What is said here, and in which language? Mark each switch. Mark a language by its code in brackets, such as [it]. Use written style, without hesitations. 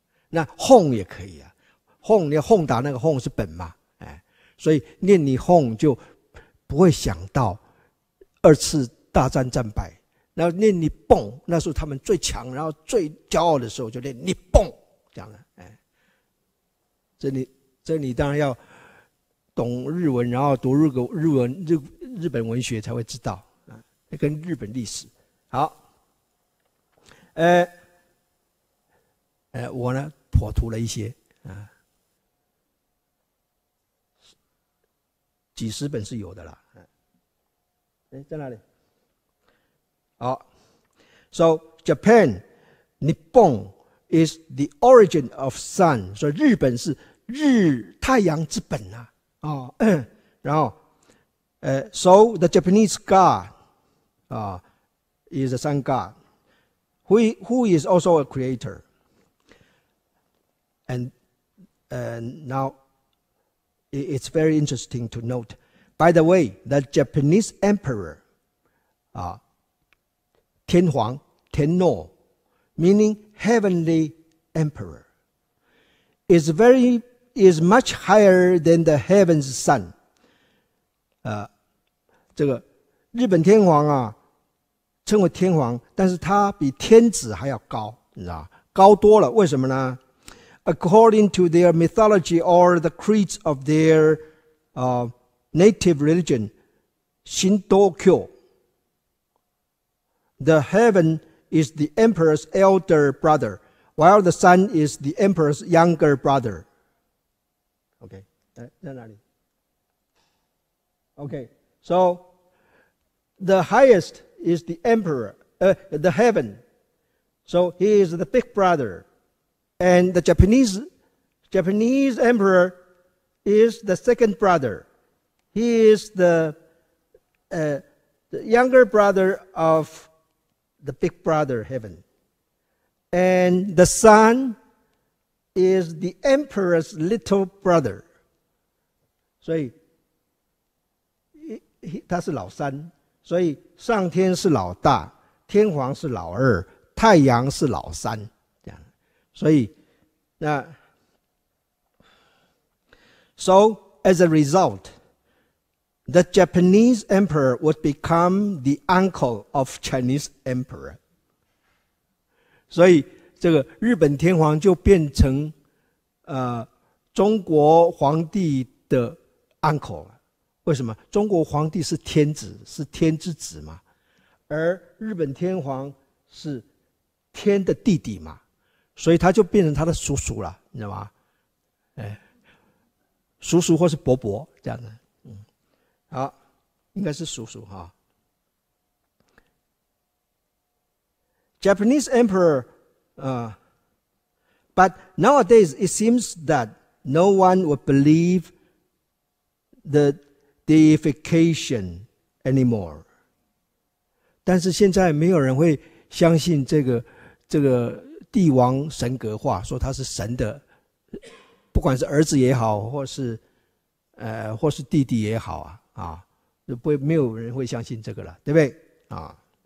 [zh] 那 Hon 也可以啊， Hon, 你要轰打那个 Hon 是本嘛，哎，所以念 Nihon 就不会想到二次大战战败，然后念你蹦，那时候他们最强，然后最骄傲的时候就念你蹦，这样的，哎，这你当然要懂日文，然后读日本文学才会知道，跟日本历史。好，我呢妥图了一些啊，几十本是有的啦。在哪里？ [en] 好 ，So Japan, Nippon is the origin of sun. [zh] 所以日本是日太阳之本啊。 [en] 然后，So the Japanese god, is a sun god, who is also a creator. And now, it's very interesting to note. By the way, the Japanese emperor, 天皇 Tenno, meaning heavenly emperor, is much higher than the heaven's sun. [zh] 这个日本天皇啊，称为天皇，但是他比天子还要高，你知道高多了。为什么呢？ [en] According to their mythology or the creeds of their native religion, Shindokyo, the heaven is the emperor's elder brother, while the sun is the emperor's younger brother. Okay, [zh] 在哪里？ [en] Okay, so the highest is the emperor, the heaven. So he is the big brother. And the Japanese emperor is the second brother. He is the younger brother of the big brother heaven. And the sun is the emperor's little brother. [zh] 所以他是老三，所以上天是老大，天皇是老二，太阳是老三，这样。所以那 [en] So as a result, the Japanese emperor would become the uncle of Chinese emperor. [zh] 所以这个日本天皇就变成中国皇帝的 uncle 了。为什么？中国皇帝是天子，是天之子嘛，而日本天皇是天的弟弟嘛，所以他就变成他的叔叔了，你知道吗？叔叔或是伯伯这样的，好，应该是叔叔哈。 [en] Japanese emperor, but nowadays it seems that no one would believe the deification anymore. [zh] 但是现在没有人会相信这个帝王神格化，说他是神的，不管是儿子也好，或是弟弟也好啊，就不会没有人会相信这个了，对不对啊？